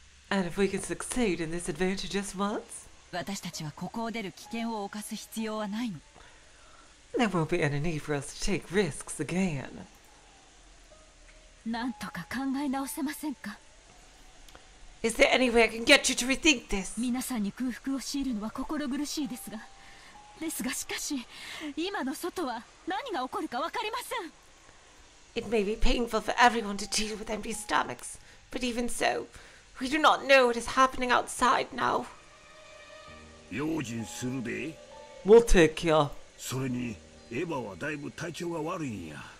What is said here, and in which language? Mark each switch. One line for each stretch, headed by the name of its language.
English: And if we can succeed in this adventure just once?
Japanese: 私たちはここを出る危険を犯す必要はないの
English: There won't be any need for us to take risks again.
Japanese: なんとか考え直せませんか?
English: Is there any way I can get you to rethink this?
Japanese: 皆さんに空腹を強いるのは心苦しいですが ですがしかし、今の外は何が起こるか分かりません
English: It may be painful for everyone to deal with empty stomachs, but even so, we do not know what is happening outside now.
Japanese: 用心するで?
English: We'll take care.
Japanese: それに エヴァはだいぶ体調が悪いんや